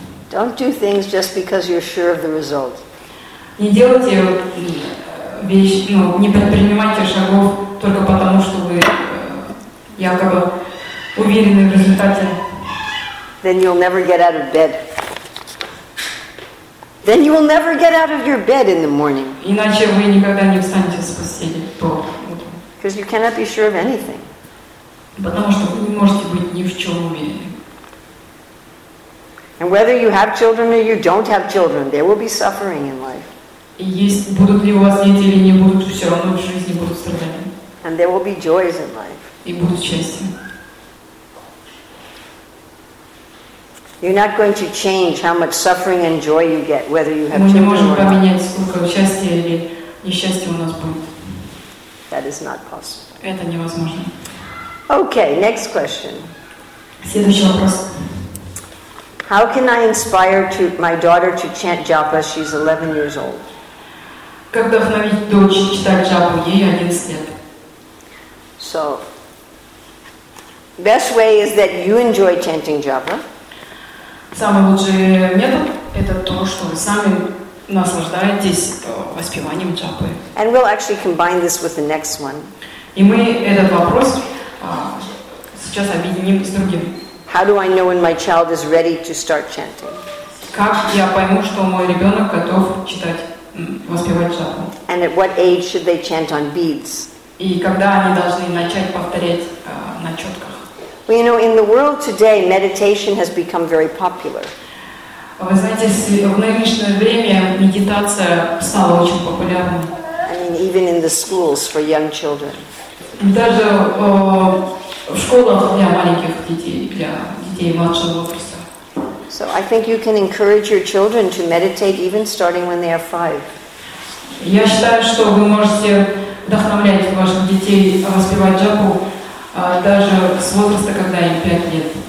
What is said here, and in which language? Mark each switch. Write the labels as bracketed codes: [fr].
[en] Don't do things just because you're sure of the result. [ru] Не делайте вещи, ну, не предпринимайте шагов только потому, что вы якобы уверены в результате. [en] Then you'll never get out of bed. Then you will never get out of your bed in the morning. [ru] Иначе вы никогда не встанете с постели. [en] Because you cannot be sure of anything. [ru] Потому что вы не можете быть ни в чем уверены. [en] And whether you have children or you don't have children, there will be suffering in life. [ru] Будут ли у вас дети или не будут, все равно в жизни будут страдания. [en] And there will be joys in life. [ru] И будут счастья. [en] You're not going to change how much suffering and joy you get, whether you have children or not. [ru] Мы не можем поменять, сколько счастья или несчастья у нас будет. [en] That is not possible. [ru] Это невозможно. [en] Okay, next question. [ru] Следующий вопрос. [en] How can I inspire my daughter to chant Japa? She's 11 years old. [ru] Как вдохновить дочь читать Джапу? Ей 11 лет. [en] So, best way is that you enjoy chanting Japa. [ru] Самый лучший метод – это то, что вы сами наслаждаетесь воспеванием Джапы. [en] And we'll actually combine this with the next one. [ru] И мы этот вопрос сейчас объединим с другим. [en] How do I know when my child is ready to start chanting? [ru] Как я пойму, что мой ребенок готов читать, воспевать Джапу? [en] And at what age should they chant on beads? [ru] И когда они должны начать повторять на четках? [en] Well, you know, in the world today, meditation has become very popular. [ru] Вы знаете, в нынешнее время медитация стала очень популярной. [en] I mean, even in the schools for young children. [ru] Даже в школах для маленьких детей, для детей младшего возраста. [en] So I think you can encourage your children to meditate even starting when they are 5. [ru] Я считаю, что вы можете вдохновлять ваших детей воспевать джапу, даже с возраста, когда им 5 лет.